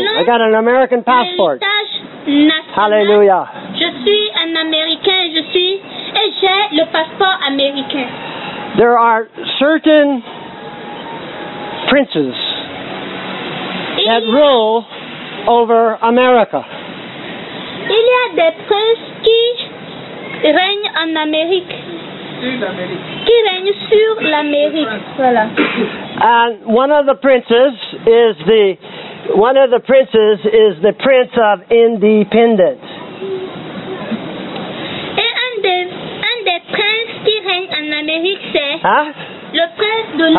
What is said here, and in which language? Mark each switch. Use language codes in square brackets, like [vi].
[en] I got an American passport. Hallelujah. [fr] Je suis un Américain. Et j'ai le passeport américain. [en] There are certain princes that rule over America. [fr] Il y a des princes qui règnent en Amérique. Qui règne sur l'Amérique. Voilà. [en] And one of the princes is the Prince of Independence. [fr] Et un des princes qui règne en Amérique, c'est le prince de l'Amérique.